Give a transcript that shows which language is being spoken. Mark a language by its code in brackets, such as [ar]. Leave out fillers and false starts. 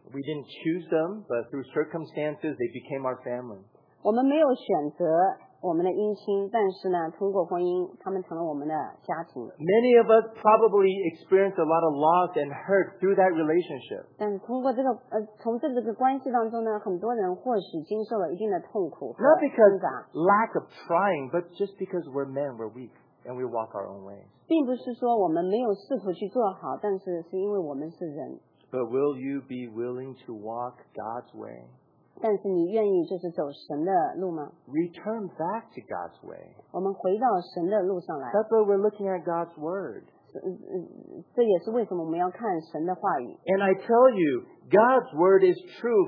[en] We didn't choose them, but through circumstances they became our family. [zh] 我们没有选择。我们的姻亲，但是呢，通过婚姻，他们成了我们的家庭。 [en] Many of us probably experienced a lot of loss and hurt through that relationship. [zh] 但是通过这个，从这个关系当中呢，很多人或许经受了一定的痛苦和挣扎。 [en] Not because lack of trying, but just because we're men, we're weak, and we walk our own ways. [zh] 并不是说我们没有试图去做好，但是是因为我们是人。 [en] But will you be willing to walk God's way? [zh] 但是你愿意就是走神的路吗? [en] Return back to God's way. [zh] 我们回到神的路上来。 [en] That's why we're looking at God's word. [zh] 这也是为什么我们要看神的话语。 [en] And I tell you, God's word is true.